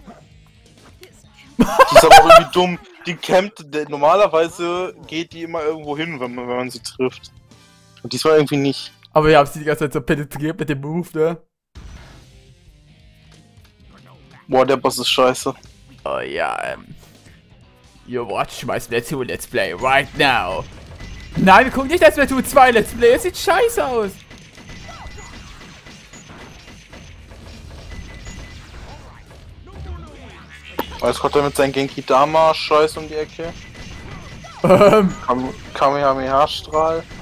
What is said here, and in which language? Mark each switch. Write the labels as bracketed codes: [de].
[de] Die ist aber irgendwie dumm. Die campt, normalerweise geht die immer irgendwo hin, wenn man sie trifft. Und diesmal irgendwie nicht. Aber ich hab sie die ganze Zeit so penetriert mit dem Move, ne? Boah, der Boss ist scheiße. Oh ja, [en] you watch my Splatoon Let's Play right now. [de] Nein, wir gucken nicht das Splatoon 2 Let's Play, das sieht scheiße aus. Jetzt kommt er mit seinem Genki-Dama-Scheiß um die Ecke. Kamehameha-Strahl.